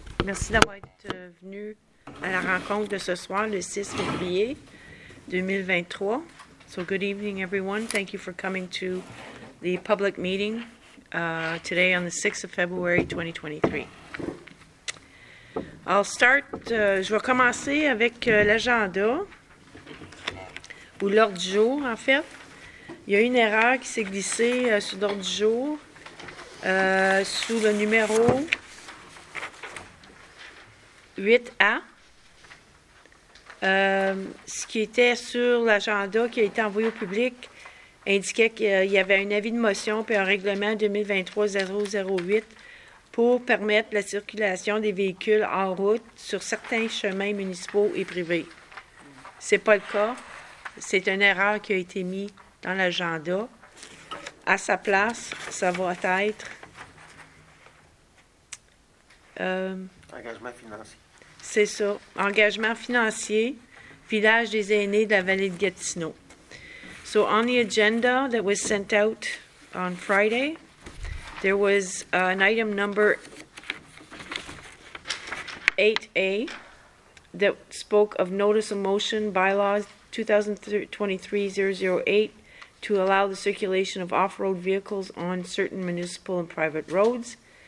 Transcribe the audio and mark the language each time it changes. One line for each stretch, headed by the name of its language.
French: Merci d'avoir été venu à la rencontre de ce soir, le 6 février 2023.
English: So, good evening, everyone. Thank you for coming to the public meeting today on the 6th of February 2023.
French: Je vais commencer avec l'agenda, ou l'ordre du jour, en fait. Il y a une erreur qui s'est glissée sur l'ordre du jour. Sous le numéro 8A, ce qui était sur l'agenda qui a été envoyé au public indiquait qu'il y avait un avis de motion puis un règlement 2023-008 pour permettre la circulation des véhicules en route sur certains chemins municipaux et privés. Ce n'est pas le cas. C'est une erreur qui a été mise dans l'agenda. À sa place, ça va être... Engagement financier. C'est ça. Engagement financier, village des aînés de la vallée de Gatineau.
English: So, on the agenda that was sent out on Friday, there was an item number 8A that spoke of notice of motion bylaws 2023-008 to allow the circulation of off-road vehicles on certain municipal and private roads.